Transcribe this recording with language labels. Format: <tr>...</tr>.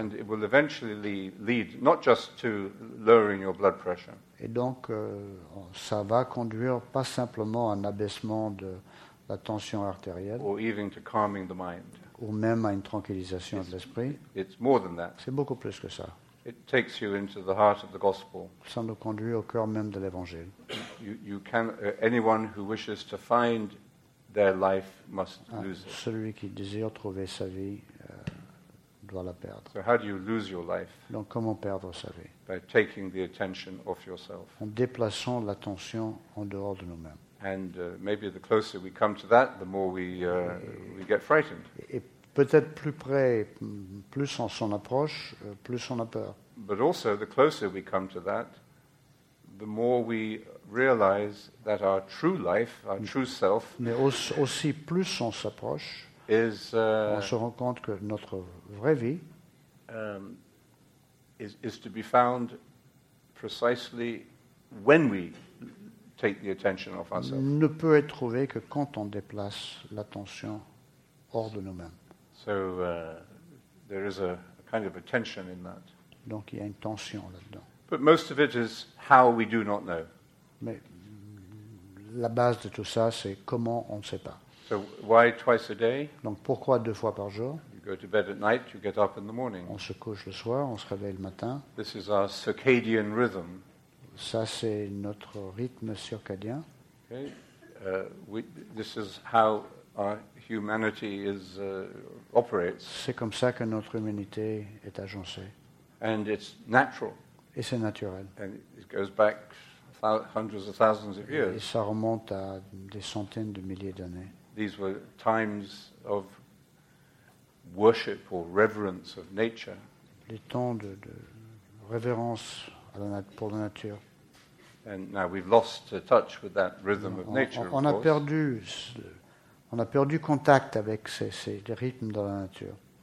<en>And it will eventually lead not just to lowering your blood pressure.</en> <fr>Et donc, ça va conduire pas simplement à un abaissement de la tension artérielle.</fr> <en>Or even to calming the mind.</en> <fr>Ou même à une tranquillisation de l'esprit.</fr> <en>It's more than that.</en> <fr>C'est beaucoup plus que ça.</fr> <en>It takes you into the heart of the gospel.</en> <fr>Ça nous conduit au cœur même de l'évangile.</fr> <en>You can, anyone who wishes to find their life must lose it.</en> <fr>Celui qui désire trouver sa vie doit la perdre.</fr> <en>So how do you lose your life?</en> <fr>Donc comment perdre sa vie?</fr> <en>By taking the attention off yourself.</en> <fr>En déplaçant l'attention en dehors de nous-mêmes.</fr> <en>And maybe the closer we come to that, the more we get frightened.</en> <fr>Et peut-être plus près, plus on s'en approche, plus on a peur.</fr> <en>But also the closer we come to that, the more we realize that our true life, our true self.</en> <fr>Mais aussi plus on s'approche. On se rend compte que notre vraie vie</fr> <en>is to be found precisely when we take the attention off ourselves.</en> <fr>Ne peut être trouvé que quand on déplace l'attention hors de nous-mêmes.</fr> <en>So there is a kind of a tension in that.</en> <fr>Donc il y a une tension là-dedans.</fr> <en>But most of it is how we do not know.</en> <fr>Mais la base de tout ça, c'est comment on ne sait pas.</fr> <en>So why twice a day?</en> <fr>Donc pourquoi deux fois par jour?</fr> <en>You go to bed at night, you get up in the morning.</en> <fr>On se couche le soir, on se réveille le matin.</fr> <en>This is our circadian rhythm.</en> <fr>Ça c'est notre rythme circadien.</fr> <en>Okay. This is how our humanity is operates.</en> <fr>C'est comme ça que notre humanité est agencée.</fr> <en>And it's natural.</en> <fr>Et c'est naturel.</fr> <en>And it goes back hundreds of thousands of years.</en> <fr>Et ça remonte à des centaines de milliers d'années.</fr> <en>These were times of worship or reverence of nature.</en> <fr>Les temps de révérence à pour la nature.</fr> <en>And now we've lost touch with that rhythm of nature.</en> <fr>On a perdu contact avec ces rythmes de la nature.</fr>